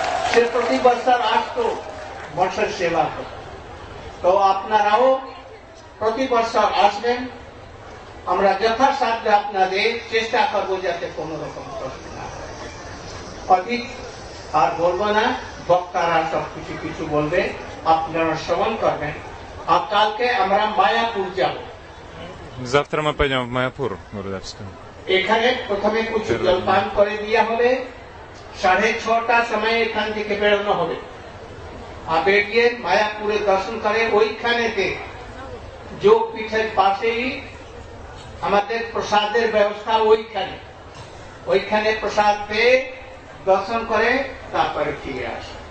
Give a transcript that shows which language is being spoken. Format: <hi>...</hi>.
<bn>সে প্রতি বছর আসতো বছর সেবা করতে, তো আপনারাও প্রতি বছর আসবেন, আমরা যথাসাধ্য আপনাদের চেষ্টা করবো যাতে কোন রকম কষ্ট না হয়। অধিক আর বলবো না, বক্তারা সব কিছু কিছু বলবে, আপনারা শ্রবণ করবেন। আর কালকে আমরা মায়াপুর যাব,</bn> <ru>завтра мы пойдём в Маяпур, Гурудевский।</ru> <bn>এখানে প্রথমে কিছু জলপান করে দিয়া হবে, 6:30 সময় এখান থেকে বেরোনো হবে, আর বেরিয়ে মায়াপুরে দর্শন করে ওইখানেতে যোগ পীঠের পাশেই আমাদের প্রসাদের ব্যবস্থা, ওইখানে ওইখানে প্রসাদ পেয়ে দর্শন করে তারপরে ফিরে আস।</bn>